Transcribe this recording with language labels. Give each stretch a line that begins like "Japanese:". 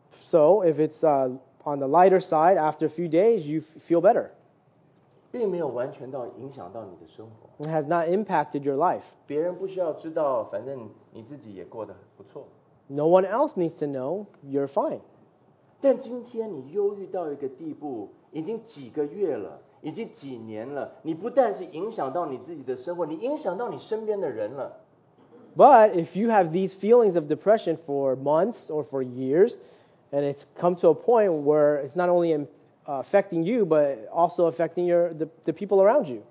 English: So if it's on the lighter side, after a few days, you feel better.
Chinese: 并没有完全到影响到你的生活。
English: It has not impacted your life.
Chinese: 别人不需要知道, 反正你自己也过得不错。
English: No one else needs to know, you're fine.
Chinese: 但今天你忧郁到一个地步, 已经几个月了,已经几年了, 你不但是影响到你自己的生活, 你影响到你身边的人了。
English: But if you have these feelings of depression for months or for years, and it's come to a point where it's not only affecting you, but also affecting the people around you.